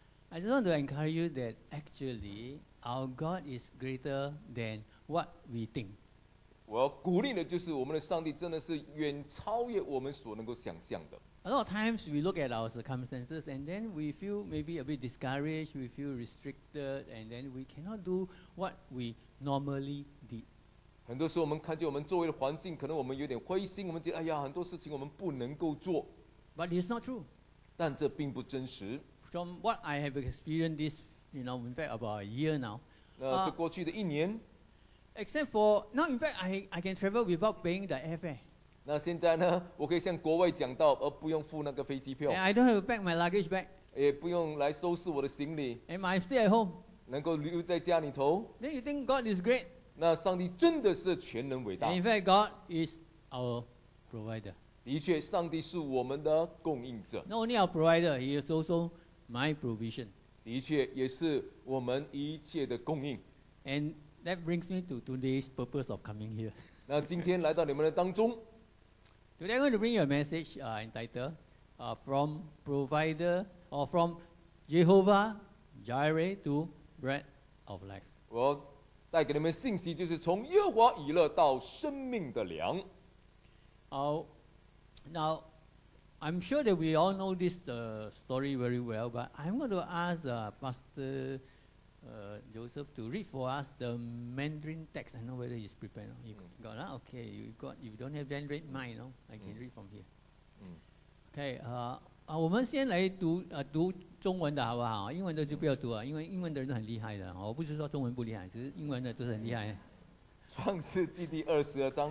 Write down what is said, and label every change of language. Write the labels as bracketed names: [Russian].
[English] I just want to encourage you that actually our God is greater than what we think. [Chinese] 我要鼓励的就是我们的上帝真的是远超越我们所能够想象的。 [English] A lot of times we look at our circumstances and then we feel maybe a bit discouraged, we feel restricted, and then we cannot do what we normally did. [Chinese] 很多时候我们看见我们周围的环境，可能我们有点灰心，我们觉得哎呀，很多事情我们不能够做。 [English] But it's not true. [Chinese] 但这并不真实。 [English] From what I have experienced this, you know, in fact about a year now. [Chinese] 那这过去的一年。 [English] Except for, now in fact, I can travel without paying the airfare. [Chinese] 那现在呢, 我可以向国外讲道, 而不用付那个飞机票。 [English] And I don't have to pack my luggage back. [Chinese] 也不用来收拾我的行李。 [English] And I stay at home. [Chinese] 能够留在家里头。 [English] Then you think God is great. [Chinese] 那上帝真的是全能伟大。 [English] And in fact, God is our provider. [Chinese] 的确,上帝是我们的供应者。 [English] Not only our provider, He is also my provision. [Chinese] 的确,也是我们一切的供应。 [English] And That brings me to today's purpose of coming here. [Chinese] 那今天来到你们的当中, [English] today I'm going to bring you a message entitled From Provider or From Jehovah Jireh to Bread of Life. [Chinese] 我带给你们信息就是从耶和华以勒到生命的粮。 [English] Now, I'm sure that we all know this story very well, but I'm going to ask Pastor Joseph to read for us the Mandarin text. I know whether he's prepared. You got that? Okay, you don't have then read mine, no? I can read from here. [Chinese] Okay, 我们先来读中文的好不好？英文的就不要读了，因为英文的人很厉害的，我不是说中文不厉害，只是英文的都是很厉害。创世纪第22章，